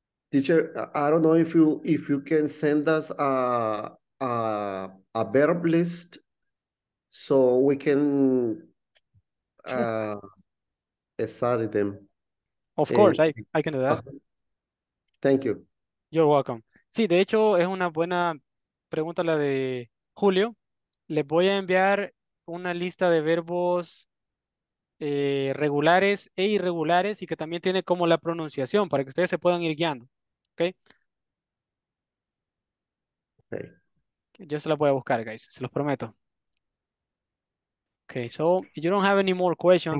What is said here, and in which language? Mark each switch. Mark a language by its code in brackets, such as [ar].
[en] Teacher, I don't know if you can send us a verb list so we can study them. Of course, I can do that. Thank you. You're welcome. [es] Sí, de hecho, es una buena pregunta la de Julio. Les voy a enviar una lista de verbos regulares e irregulares y que también tiene como la pronunciación para que ustedes se puedan ir guiando. ¿Okay? Yo se la voy a buscar, guys, se los prometo. [en] Ok, so you don't have any more questions,